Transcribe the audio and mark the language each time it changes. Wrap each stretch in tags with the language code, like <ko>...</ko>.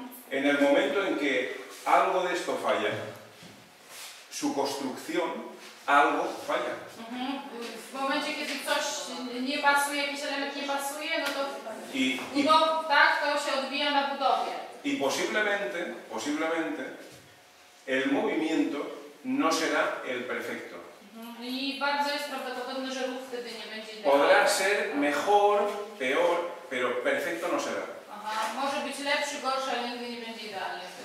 <es>En el momento en que algo de esto falla, su construcción, algo falla.</es> <pl>W momencie, kiedy coś nie pasuje, jakiś element nie pasuje, no to tak, to się odbija na budowie.</pl> <es>I posiblemente el movimiento no será el perfecto.</es> <pl>I bardzo jest prawdopodobne, że ruch wtedy nie będzie idealny.</pl> <es>Podrá ser mejor, peor, pero perfecto no será.</es> <pl>Aha, może być lepszy, gorszy, ale nigdy nie będzie idealny.</pl>